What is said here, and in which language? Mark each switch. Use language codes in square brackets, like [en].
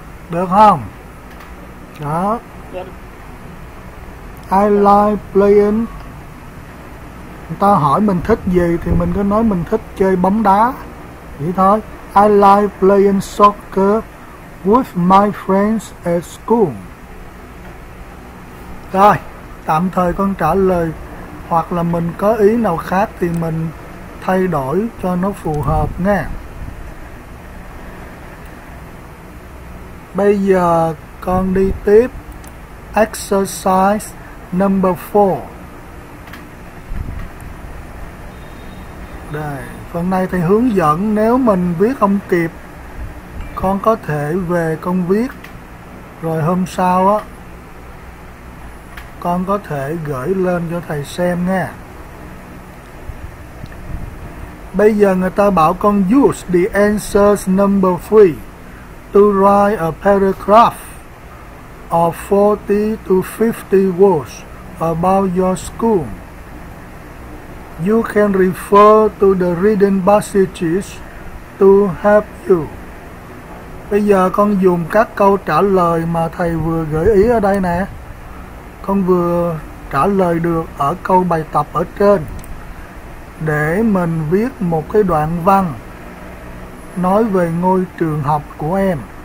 [vi] Được không? Đó. [en] I like playing. [vi] Người ta hỏi mình thích gì thì mình cứ nói mình thích chơi bóng đá. Vậy thôi. [en] I like playing soccer with my friends at school. [vi] Rồi. Tạm thời con trả lời. Hoặc là mình có ý nào khác thì mình thay đổi cho nó phù hợp nha. Bây giờ con đi tiếp. [en] Exercise number 4. [vi] Đây, phần này thầy hướng dẫn, nếu mình viết không kịp con có thể về con viết, rồi hôm sau á con có thể gửi lên cho thầy xem nha. Bây giờ người ta bảo con [en] use the answers number 3 to write a paragraph of 40 to 50 words about your school. You can refer to the reading passages to help you. [vi] Bây giờ con dùng các câu trả lời mà thầy vừa gợi ý ở đây nè. Con vừa trả lời được ở câu bài tập ở trên. Để mình viết một cái đoạn văn nói về ngôi trường học của em.